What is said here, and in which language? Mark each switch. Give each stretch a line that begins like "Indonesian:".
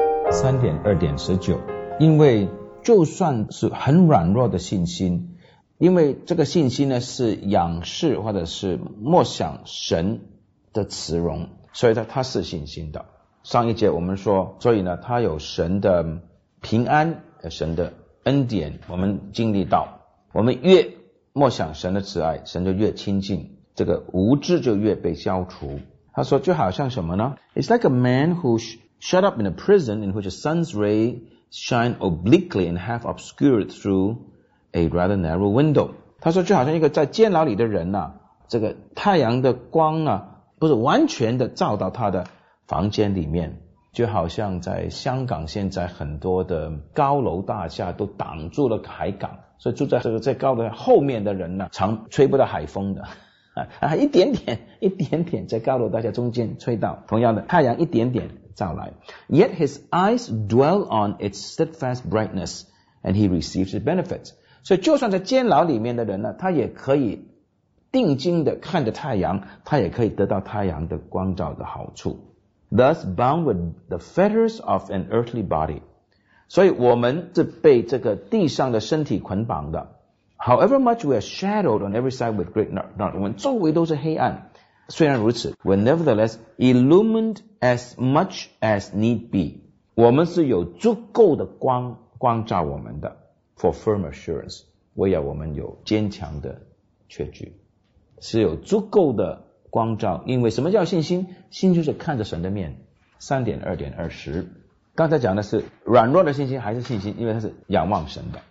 Chinese: 3.2.19，因为就算是很软弱的信心，因为这个信心呢是仰视或者是默想神的慈容，所以他是信心的。上一节我们说，所以呢他有神的平安，神的恩典，我们经历到，我们越默想神的慈爱，神就越亲近，这个无知就越被消除。他说就好像什么呢？
English: It's like a man who shut up in a prison in which a sun's ray shine obliquely and half obscured through a rather narrow window.
Chinese: 他说就好像一个在监牢里的人啊，这个太阳的光啊不是完全的照到他的房间里面，就好像在香港现在很多的高楼大厦都挡住了海港，所以住在这个在高楼后面的人呢、常吹不到海风的。一点点一点点在高楼大厦中间吹到，同样的太阳一点点照来。
English: Yet his eyes dwell on its steadfast brightness and he receives its benefits.
Chinese: 所以就算在监牢里面的人呢，他也可以定睛的看着太阳，他也可以得到太阳的光照的好处。
English: Thus bound with the fetters of an earthly body.
Chinese: 所以我们是被这个地上的身体捆绑的。
English: However much we are shadowed on every side with great darkness,
Chinese: 我们周围都是黑暗。虽然如此
English: ,we're nevertheless illumined as much as need be.
Chinese: 我们是有足够的光光照我们的 ,
English: for firm assurance,
Chinese: 为要我们有坚强的确据。是有足够的光照，因为什么叫信心？信就是看着神的面。3.2.20，刚才讲的是软弱的信心还是信心，因为它是仰望神的。